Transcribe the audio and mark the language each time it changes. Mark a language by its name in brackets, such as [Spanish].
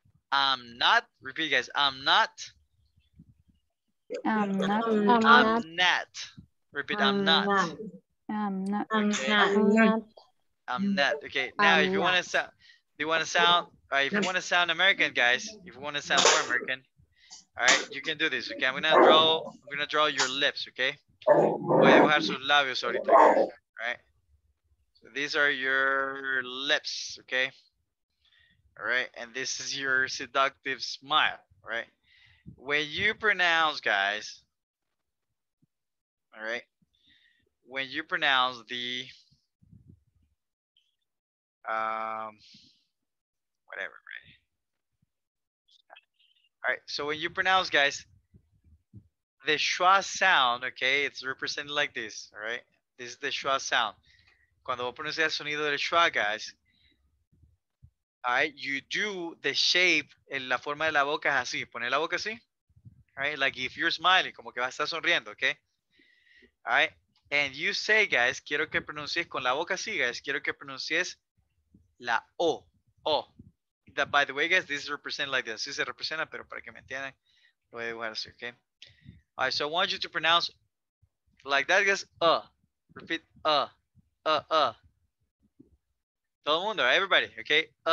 [English] I'm not, repeat guys, I'm not. Repeat, I'm not. Okay, now if you want to sound, if you want to sound American, guys, if you want to sound more American, all right, you can do this, okay? I'm going to draw your lips, okay? [Spanish] Voy a dibujar sus labios ahorita, [English] all right? So these are your lips, okay? All right, and this is your seductive smile, right? When you pronounce, guys, all right, when you pronounce the, whatever, right? All right, so when you pronounce, guys, the schwa sound, okay, it's represented like this, all right? This is the schwa sound. [Spanish] Cuando vos pronuncias el sonido del schwa, [English] guys, all right, you do the shape [Spanish] en la forma de la boca es así. Poner la boca así. [English] All right, like if you're smiling, [Spanish] como que vas a estar sonriendo, [English] okay? All right, and you say, guys, [Spanish] quiero que pronuncies con la boca así, guys, quiero que pronuncies la O. O. [English] That, by the way, guys, this is represented like this. [Spanish] Así se representa, pero para que me entiendan, lo voy a dibujar así, okay? [English] All right, so I want you to pronounce like that, guys, Repeat, [Spanish] Todo el mundo, [English] everybody, okay?